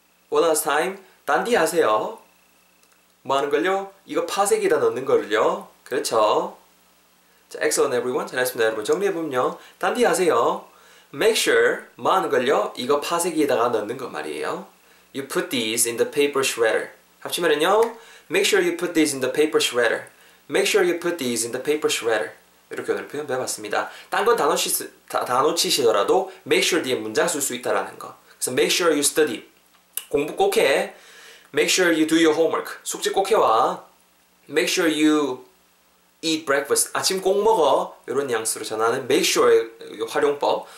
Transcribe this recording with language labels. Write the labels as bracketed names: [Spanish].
[English] One last time. [Korean] 단디 하세요. 뭐 하는 걸요? 이거 파쇄기에다 넣는 걸요. 그렇죠. 자, [English] excellent everyone. [Korean] 잘했습니다. 여러분 정리해보면요. 단디 하세요. Make sure. 뭐 하는 걸요? 이거 파쇄기에다가 넣는 거 말이에요. [English] You put these in the paper shredder. [Korean] 합치면은요. [English] Make sure you put these in the paper shredder. Make sure you put these in the paper shredder. [Korean] 이렇게 오늘 표현 배워봤습니다. 딴 건 다 놓치시더라도 make sure 뒤에 문장 쓸 수 있다라는 거. [English] 그래서 make sure you study. [Korean] 공부 꼭 해. [English] Make sure you do your homework. [Korean] 숙제 꼭 해와. [English] Make sure you eat breakfast. [Korean] 아침 꼭 먹어. 이런 양수로 전하는 make sure의 활용법.